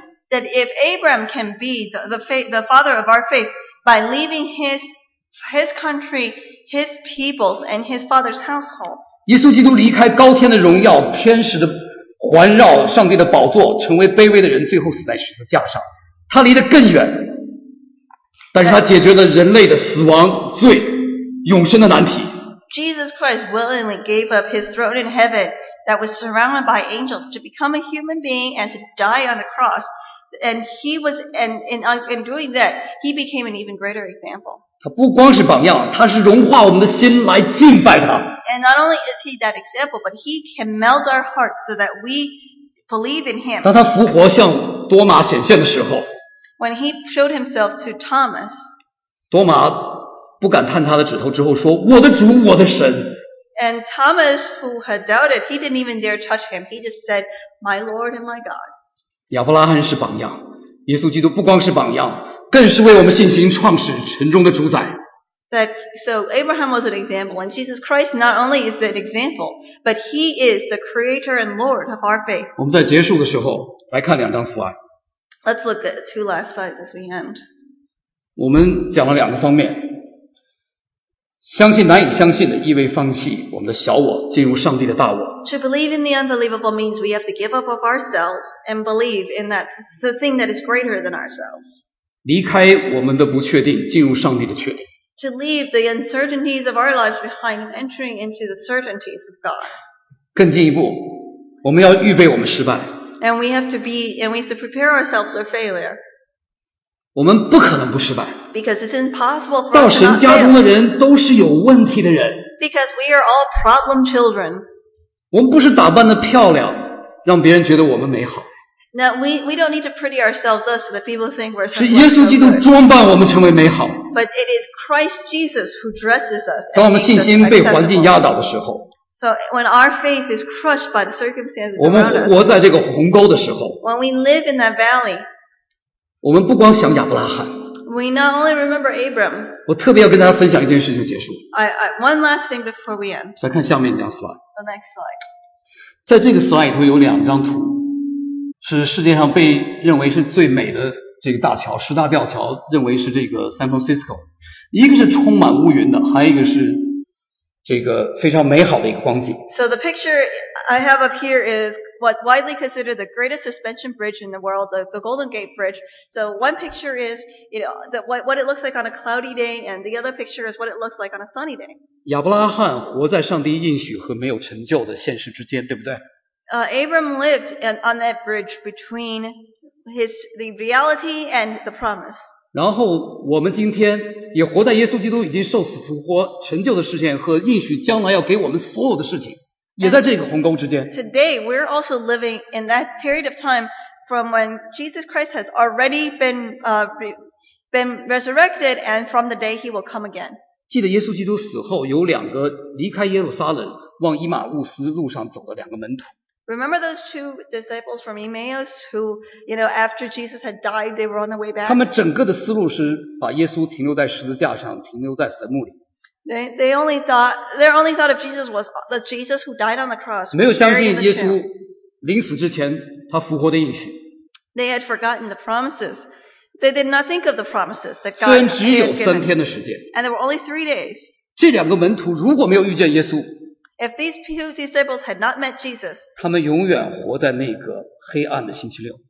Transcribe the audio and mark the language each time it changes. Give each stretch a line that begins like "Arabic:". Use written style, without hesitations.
English: That if Abraham can be the father of our faith by leaving his country, his peoples, and his father's household,
Chinese: 耶稣基督离开高天的荣耀，天使的环绕，上帝的宝座，成为卑微的人，最后死在十字架上。他离得更远，但是他解决了人类的死亡、罪、永生的难题。
English: Jesus Christ willingly gave up his throne in heaven that was surrounded by angels to become a human being and to die on the cross. And he was, and in doing that, he became an even greater example.
Chinese: 他不光是榜样，他是融化我们的心来敬拜他。
English: And not only is he that example, but he can melt our hearts so that we believe in him.
Chinese: 当他复活向多马显现的时候
English: ，When he showed himself to Thomas,
Chinese: 多马不敢探他的指头之后说：“我的主，我的神。
English: ”And Thomas, who had doubted, he didn't even dare touch him. He just said, "My Lord and my God."
Chinese: 亚伯拉罕是榜样，耶稣基督不光是榜样。更是为我们信心创始成终的主宰。
English: That, so Abraham was an example, and Jesus Christ not only is an example, but he is the creator and Lord of our faith.
Chinese: 我们在结束的时候来看两张 slide.
English: Let's look at two last slides as we end.
Chinese: 我们讲了两个方面，相信难以相信的意味放弃我们的小我，进入上帝的大我。
English: To believe in the unbelievable means we have to give up of ourselves and believe in that the thing that is greater than ourselves.
Chinese: 离开我们的不确定，进入上帝的确定。
English: To leave the uncertainties of our lives behind, entering into the certainties of God.
Chinese: 更进一步，我们要预备我们失败。
English: And we have to be, and we have to prepare ourselves for failure.
Chinese: 我们不可能不失败。
English: Because it's impossible for us to not fail.
Chinese: 到神家中的人都是有问题的人。
English: Because we are all problem children.
Chinese: 我们不是打扮得漂亮，让别人觉得我们美好。
English: Now, we don't need to pretty ourselves up so that people think we're something.
Chinese: 是耶稣基督装扮我们成为美好。
English: But it is Christ Jesus who dresses us.
Chinese: 当我们信心被环境压倒的时候。
English: So when our faith is crushed by the circumstances around us.
Chinese: 我们活在这个鸿沟的时候。
English: When we live in that valley.
Chinese: 我们不光想亚伯拉罕。
English: We not only remember Abram.
Chinese: 我特别要跟大家分享一件事情结束。
English: One last thing before we end.
Chinese: 再看下面一张 slide.
English: The next slide.
Chinese: 在这个 slide 头有两张图。是世界上被认为是最美的这个大桥，十大吊桥认为是这个 San Francisco， 一个是充满乌云的，还有一个是这个非常美好的一个光景。
English: So the picture I have up here is what's widely considered the greatest suspension bridge in the world, the Golden Gate Bridge. So one picture is what it looks like on a cloudy day, and the other picture is what it looks like on a sunny day.
Chinese: 亚伯拉罕活在上帝应许和没有成就的现实之间，对不对？
English: Abram lived on that bridge between the reality and the promise.
Chinese: 然后我们今天也活在耶稣基督已经受死复活成就的事件和应许将来要给我们所有的事情，也在这个鸿沟之间。
English: Today we're also living in that period of time from when Jesus Christ has already been resurrected and from the day he will come again.
Chinese: 记得耶稣基督死后有两个离开耶路撒冷往以马忤斯路上走的两个门徒。
English: Remember those two disciples from Emmaus who, you know, after Jesus had died, they were on the way back?
Chinese: 他们整个的思路是把耶稣停留在十字架上，停留在坟墓里。
English: Their only thought of Jesus was the Jesus who died on the cross.
Chinese: 没有相信耶稣临死之前他复活的应许。
English: They had forgotten the promises. They did not think of the promises that God had given.
Chinese: 虽然只有三天的时间。
English: And there were only 3 days.
Chinese: 这两个门徒如果没有遇见耶稣，
English: If these two disciples had not met Jesus,
Chinese: 他们永远活在那个黑暗的星期六。